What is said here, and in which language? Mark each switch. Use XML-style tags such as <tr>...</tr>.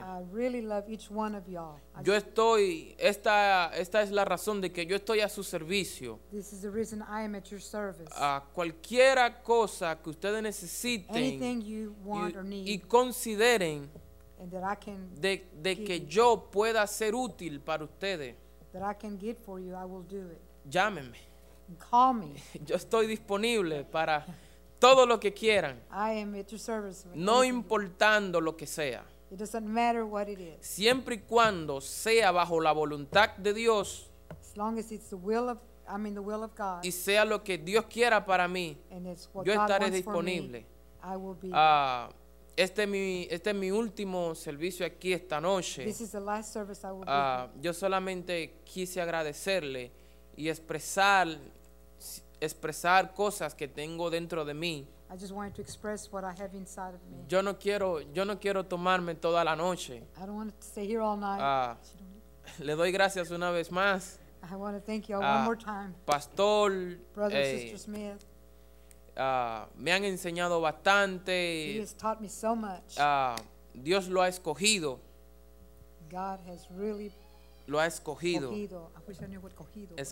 <en>I really love each one of y'all.</en> <es>Esta es la razón de que yo estoy a su servicio.</es> <en>This is the reason I am at your service.</en> <es>A cualquiera cosa que ustedes necesiten.</es> <en>Anything you want or need.</en> <es>Y consideren.</es> <en>And that I can</en> <es>de que yo pueda ser útil para ustedes.</es> <en>That I can get for you, I will do it.</en> <es>Llámenme.</es> <en>Call me.</en> <es>Yo estoy disponible para todo lo que quieran.</es> <en>I am at your service.</en> <es>No importando lo que sea.</es> <en>It doesn't matter what it is.</en> <es>Siempre y cuando sea bajo la voluntad de Dios.</es> <en>As long as it's the will of I mean the will of God.</en> <es>Y sea lo que Dios quiera para mí,</es> <en>and it's what</en> <es>yo</es> <en>God</en> <es>estaré</es> <en>wants</en> <es>disponible.</es> <en>For me, I will be.</en> <es>Este es mi último servicio aquí esta noche.</es> <en>This is the last service I will be.</en> <es>Yo solamente quise agradecerle y expresar cosas que tengo dentro de mí.</es> <en>I just wanted to express what I have inside of me.</en> <es>Yo no quiero tomarme toda la noche.</es> <en>I don't want to stay here all night.</en> <es>Le doy gracias una vez más.</es> <en>I want to thank you one more time.</en> <es>Pastor,</es> <en>brother, sister Smith.</en> <es>Me han enseñado bastante.</es> <en>He has taught me so much.</en> <es>Dios lo ha escogido.</es> <en>God has really</en> <es>lo ha escogido.</es> <en>Cogido. I wish I knew what cogido was.</en>